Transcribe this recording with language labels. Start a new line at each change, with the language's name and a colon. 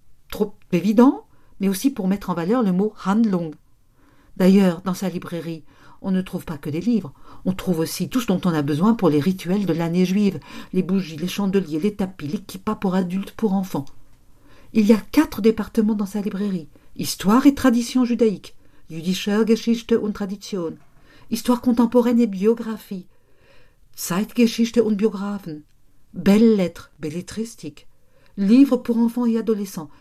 French: Trop évident, mais aussi pour mettre en valeur le mot Handlung. D'ailleurs, dans sa librairie, on ne trouve pas que des livres. On trouve aussi tout ce dont on a besoin pour les rituels de l'année juive. Les bougies, les chandeliers, les tapis, les kippas pour adultes, pour enfants. Il y a 4 départements dans sa librairie. Histoire et tradition judaïque.
German: Jüdische Geschichte und Tradition.
French: Histoire contemporaine et biographie.
German: Zeitgeschichte und Biographen.
French: Belles lettres, belletristiques. Livres pour enfants et adolescents.